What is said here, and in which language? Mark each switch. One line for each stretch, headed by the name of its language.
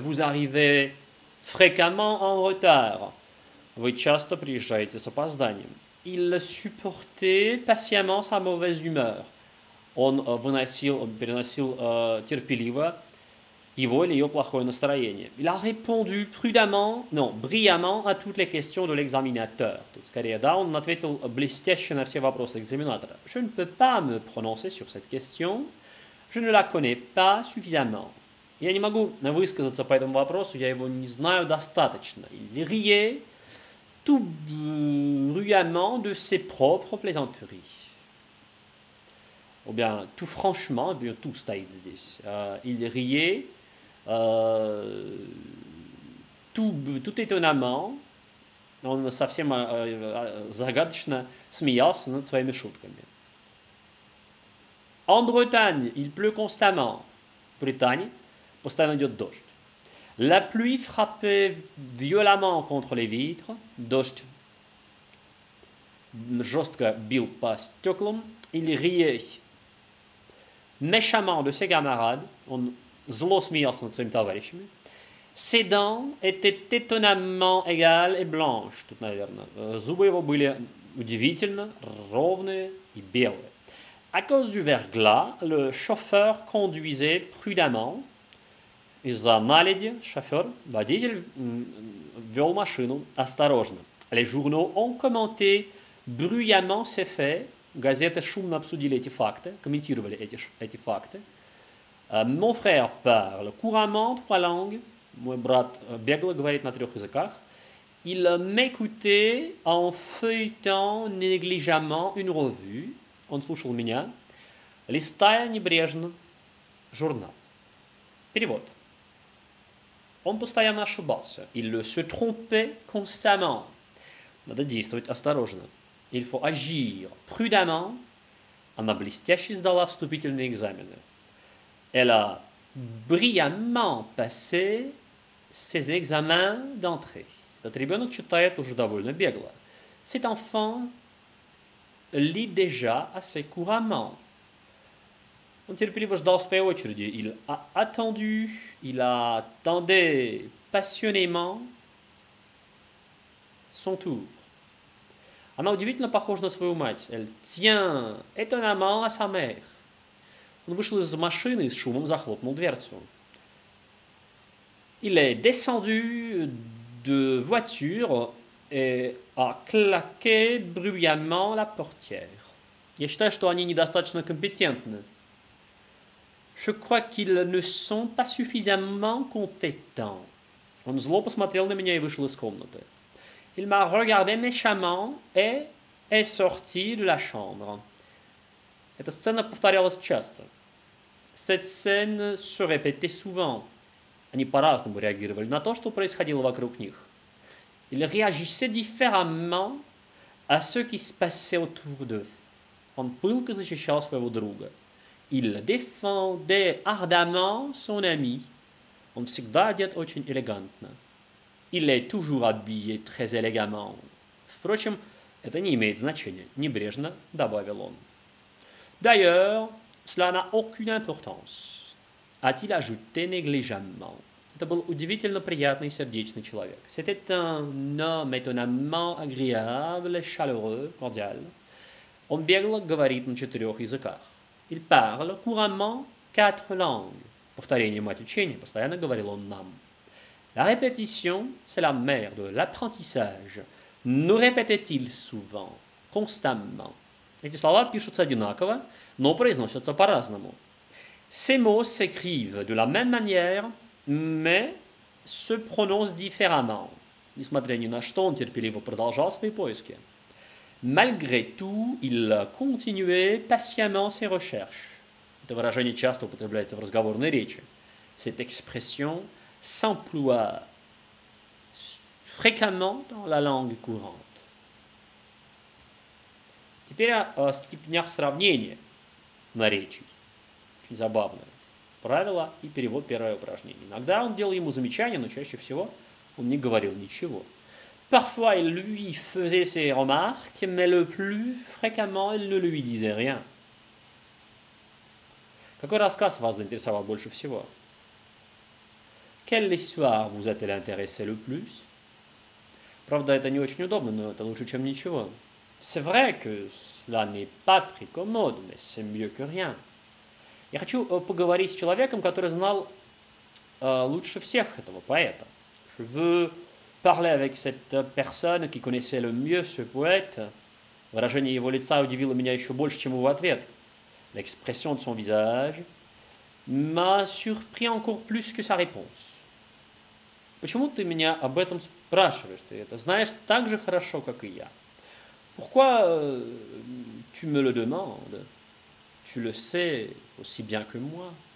French: «Vous arrivez fréquemment en retard».
Russian: Вы часто приезжаете с опозданием.
French: «Il supportait patiemment sa mauvaise humeur».
Russian: Он переносил терпеливо его или ее плохое настроение.
French: «Il a répondu prudemment, non, brillamment à toutes les questions de l'examinateur».
Russian: Тут скорее, да, он ответил блестяще на все вопросы экзаменатора.
French: «Je ne peux pas me prononcer sur cette question. Je ne la connais pas suffisamment».
Russian: Я не могу высказаться по этому вопросу, я его не знаю достаточно.
French: Лерье tout bruyamment de ses propres plaisanteries. Ou bien tout franchement, bien tout style this. Il riait tout étonnamment.
Russian: Он совсем загадочно смеялся над своими шутками.
French: En Bretagne, il pleut constamment.
Russian: В Британии постоянно идет дождь.
French: La pluie frappait violemment contre les vitres.
Russian: Дождь жестко бил по стеклам.
French: Il riait méchamment de ses camarades.
Russian: Он зло смеялся над своими товарищами.
French: Ses dents étaient étonnamment égales et blanches.
Russian: Тут, наверное, зубы его были удивительно ровные и белые.
French: À cause du verglas, le chauffeur conduisait prudemment.
Russian: Из-за наледи шофер, водитель, вел машину осторожно.
French: Les journaux ont commenté bruyamment ces faits.
Russian: Газеты шумно обсудили эти факты, комментировали эти факты.
French: Mon frère parle couramment trois langues.
Russian: Мой брат бегло говорит на трех языках.
French: Il m'écoutait en feuilletant négligemment une revue.
Russian: Он слушал меня, листая небрежно журнал. Перевод. Он постоянно ошибался.
French: Il se trompait constamment.
Russian: Надо действовать осторожно.
French: Il faut agir prudemment.
Russian: Она блестяще сдала вступительные экзамены.
French: Elle a brillamment passé ses examens d'entrée.
Russian: Этот ребенок читает уже довольно бегло.
French: Cet enfant lit déjà assez couramment.
Russian: Он терпеливо ждал своей очереди.
French: Il a attendu, il attendait passionnément son tour.
Russian: Она удивительно похожа на свою мать.
French: Elle tient étonnamment à sa mère.
Russian: Он вышел из машины и с шумом захлопнул дверцу.
French: Il est descendu de voiture et a claqué bruyamment la portière.
Russian: Я считаю, что они недостаточно компетентны.
French: Je crois qu'ils ne sont pas suffisamment compétents.
Russian: Он зло посмотрел на меня и вышел из комнаты.
French: Il m'a regardé méchamment et est sorti de la chambre.
Russian: Эта сцена повторялась часто.
French: Cette scène se répétait souvent.
Russian: Они по-разному реагировали на то, что происходило вокруг них.
French: Ils réagissaient différemment à ce qui se passait autour d'eux.
Russian: Он пылко защищал своего друга.
French: Il défendait ardemment son ami.
Russian: Он всегда одет очень элегантно.
French: Il est toujours habillé très élégamment.
Russian: Впрочем, это не имеет значения, небрежно добавил он.
French: D'ailleurs, cela n'a aucune importance, a-t-il ajouté négligemment.
Russian: Это был удивительно приятный и сердечный человек.
French: C'était un homme étonnamment agréable, chaleureux, cordial.
Russian: Он бегло говорит на четырех языках.
French: Il parle couramment quatre langues.
Russian: Повторение мать учения, постоянно говорил он нам.
French: La répétition, c'est la mère de l'apprentissage. Nous répétait-il souvent, constamment.
Russian: Эти слова пишутся одинаково, но произносятся по-разному.
French: Ces mots s'écrivent de la même manière, mais se prononcent différemment.
Russian: Несмотря ни на что, он терпеливо продолжал свои поиски.
French: Malgré tout, il continuait patiemment ses recherches.
Russian: Это выражение часто употребляется в разговорной речи.
French: Cette expression s'emploie fréquemment dans la langue courante.
Russian: Теперь о степенях сравнения наречий. Очень забавно. Правило и перевод первое упражнение. Иногда он делал ему замечания, но чаще всего он не говорил ничего.
French: Parfois, il lui faisait ses remarques, mais le plus fréquemment, il ne lui disait rien.
Russian: Какой рассказ вас заинтересовал больше всего?
French: Quelle histoire vous a-t-il intéressé le plus?
Russian: Правда, это не очень удобно, но это лучше, чем ничего.
French: C'est vrai que cela n'est pas très commode, mais c'est mieux que rien.
Russian: Я хочу поговорить с человеком, который знал лучше всех этого поэта.
French: Je veux parler avec cette personne qui connaissait le mieux ce poète.
Russian: Выражение его лица удивило меня еще больше, чем его ответ.
French: L'expression de son visage m'a surpris encore plus que sa réponse.
Russian: Почему ты меня об этом спрашиваешь? Ты это знаешь так же хорошо, как и я.
French: Pourquoi tu me le demandes? Tu le sais aussi bien que moi.